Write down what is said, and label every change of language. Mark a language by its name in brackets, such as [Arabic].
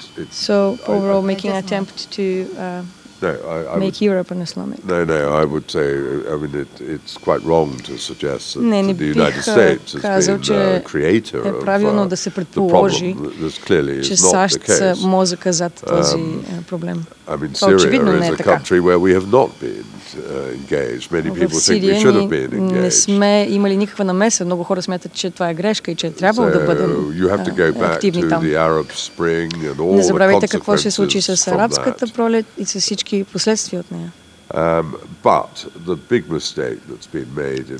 [English] So overall making an attempt to make Europe an Islamic. No, I would say, I mean, it's quite wrong to suggest that the United States has been the creator of the problem. This clearly is not the case. [Bulgarian] Мозъка зад този проблем. [English] I mean, Syria is a country where we have not been engaged. Many people think we should have been engaged. [Bulgarian] Не сме имали никаква намеса. Много хора смятат, че това е грешка и че трябва да бъдем активни там. [English] You have to go back to the Arab Spring and all the consequences. [Bulgarian] Не забравяйте какво ще случи с арабската пролет и с всички последствия от нея. [English] But the big mistake that's been made in recent